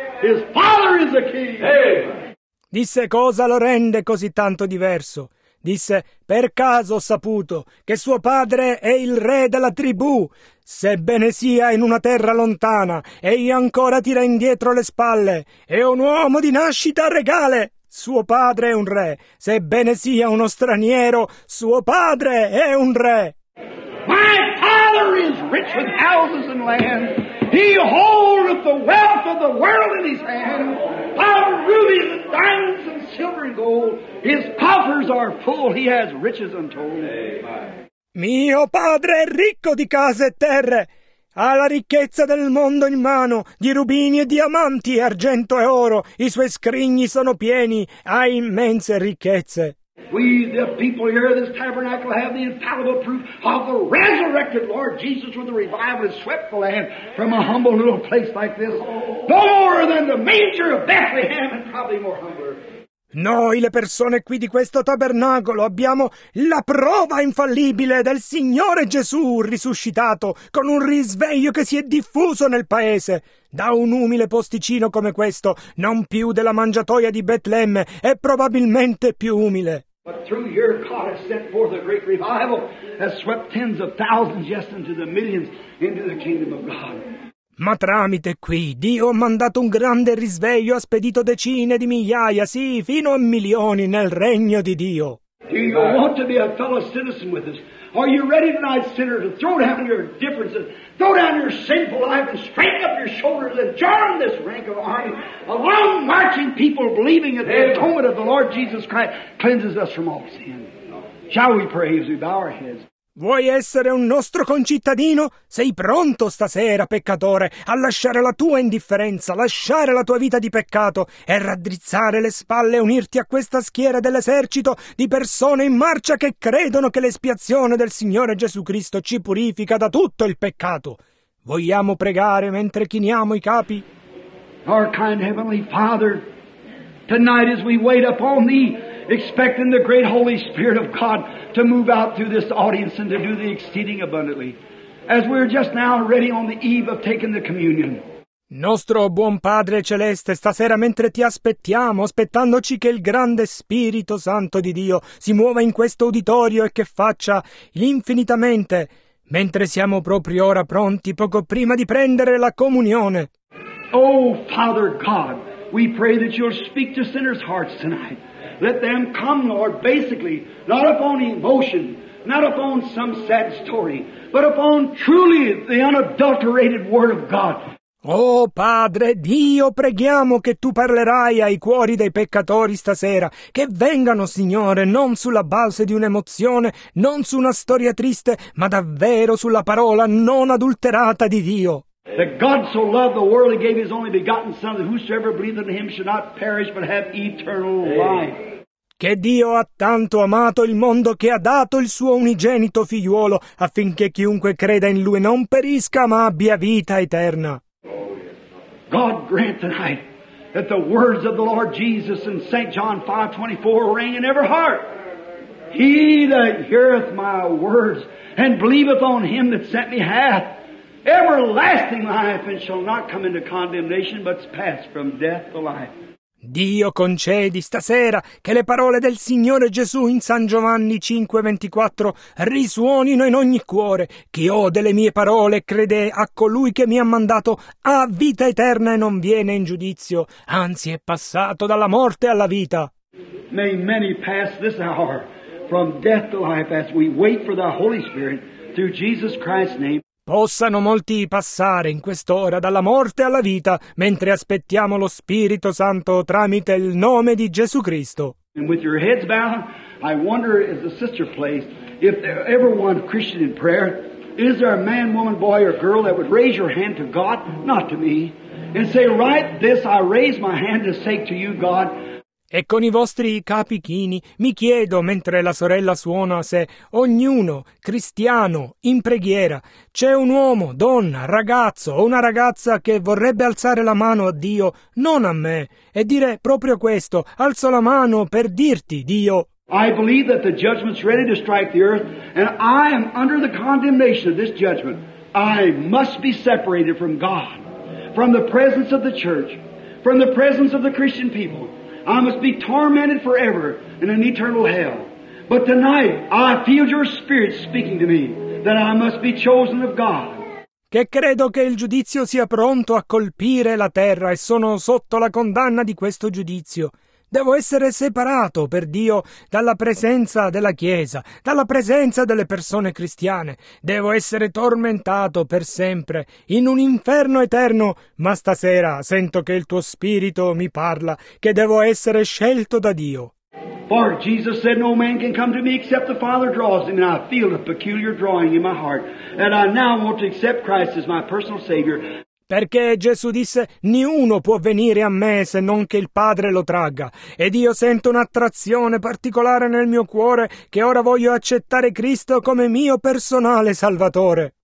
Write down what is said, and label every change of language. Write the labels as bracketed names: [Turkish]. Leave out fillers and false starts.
[English] His father is a king. Hey. [Italian] Disse, cosa lo rende così tanto diverso? Disse, per caso ho saputo che suo padre è il re della tribù, sebbene sia in una terra lontana, egli ancora tira indietro le spalle, è un uomo di nascita regale, suo padre è un re, sebbene sia uno straniero, suo padre è un re. [English] My father is rich with houses and land, he holdeth the wealth of the world in his hand, power, rubies and diamonds and silver and gold, his coffers are full, he has riches untold. Amen. [Italian] Mio padre è ricco di case e terre, ha la ricchezza del mondo in mano, di rubini e diamanti, argento e oro, i suoi scrigni sono pieni, ha immense ricchezze. [English] We, the people here of this tabernacle, have the infallible proof of the resurrected Lord Jesus when the revival has swept the land from a humble little place like this. No more than the manger of Bethlehem and probably more humbler. [Italian] Noi, le persone qui di questo tabernacolo, abbiamo la prova infallibile del Signore Gesù risuscitato con un risveglio che si è diffuso nel paese. Da un umile posticino come questo, non più della mangiatoia di Betlemme, è probabilmente più umile. [English] But through here God has sent forth a great revival, has swept tens of thousands, yes, into the millions, into the kingdom of God. [Italian] Ma tramite qui Dio ha mandato un grande risveglio, ha spedito decine di migliaia, sì, fino a milioni nel regno di Dio. [English] Do you want to be a fellow citizen with us? Are you ready tonight, sinner, to throw down your differences, throw down your sinful life and straighten up your shoulders and join this rank of army, a long marching people believing that the atonement of the Lord Jesus Christ cleanses us from all sin? Shall we pray as we bow our heads? [Italian] Vuoi essere un nostro concittadino? Sei pronto stasera, peccatore, a lasciare la tua indifferenza, lasciare la tua vita di peccato e raddrizzare le spalle e unirti a questa schiera dell'esercito di persone in marcia che credono che l'espiazione del Signore Gesù Cristo ci purifica da tutto il peccato? Vogliamo pregare mentre chiniamo i capi? [English] Our kind Heavenly Father, tonight as we wait upon Thee, expecting the great Holy Spirit of God to move out through this audience and to do the exceeding abundantly, as we're just now ready on the eve of taking the communion. [Italian] Nostro buon Padre Celeste, stasera mentre ti aspettiamo, aspettandoci che il grande Spirito Santo di Dio si muova in questo auditorio e che faccia infinitamente, mentre siamo proprio ora pronti, poco prima di prendere la comunione. [English] Oh, Father God, we pray that you'll speak to sinners' hearts tonight. Let them come, Lord, basically, not upon emotion, not upon some sad story, but upon truly the unadulterated Word of God. [Italian] Oh, Padre Dio, preghiamo che Tu parlerai ai cuori dei peccatori stasera. Che vengano, Signore, non sulla base di un'emozione, non su una storia triste, ma davvero sulla parola non adulterata di Dio. [English] That God so loved the world He gave His only begotten Son, that whosoever believeth in Him should not perish but have eternal life. [Italian] Che Dio ha tanto amato il mondo che ha dato il suo unigenito figliuolo, affinché chiunque creda in Lui non perisca ma abbia vita eterna. [English] God grant tonight that the words of the Lord Jesus in St. John 5:24 ring in every heart. He that heareth my words and believeth on Him that sent me hath everlasting life, and shall not come into condemnation, but pass from death to life. [Italian] Dio concedi stasera che le parole del Signore Gesù in San Giovanni 5:24 risuonino in ogni cuore. Chi ode le mie parole e crede a colui che mi ha mandato ha vita eterna e non viene in giudizio, anzi è passato dalla morte alla vita. [English] May many pass this hour from death to life as we wait for the Holy Spirit through Jesus Christ's name. [Italian] Possano molti passare in quest'ora dalla morte alla vita mentre aspettiamo lo Spirito Santo tramite il nome di Gesù Cristo. [English] And with your heads bowed, I wonder as a sister place, if there ever one Christian in prayer, is there a man, woman, boy or girl that would raise your hand to God, not to me, and say, right this, I raise my hand to say to you, God. [Italian] E con i vostri capi chini mi chiedo, mentre la sorella suona, se ognuno, cristiano, in preghiera, c'è un uomo, donna, ragazzo o una ragazza che vorrebbe alzare la mano a Dio, non a me, e dire proprio questo, alzo la mano per dirti, Dio. [English] I believe that the judgment's ready to strike the earth, and I am under the condemnation of this judgment. I must be separated from God, from the presence of the church, from the presence of the Christian people. I must be tormented forever in an eternal hell. But tonight I feel your spirit speaking to me that I must be chosen of God. [Italian] Che credo che il giudizio sia pronto a colpire la terra e sono sotto la condanna di questo giudizio. Devo essere separato per Dio dalla presenza della Chiesa, dalla presenza delle persone cristiane. Devo essere tormentato per sempre in un inferno eterno, ma stasera sento che il tuo spirito mi parla, che devo essere scelto da Dio. [English] For Jesus said no man can come to me except the Father draws him, and I feel a peculiar drawing in my heart, and I now want to accept Christ as my personal Savior. [Italian] Perché Gesù disse, niuno può venire a me se non che il Padre lo tragga. Ed io sento un'attrazione particolare nel mio cuore che ora voglio accettare Cristo come mio personale Salvatore.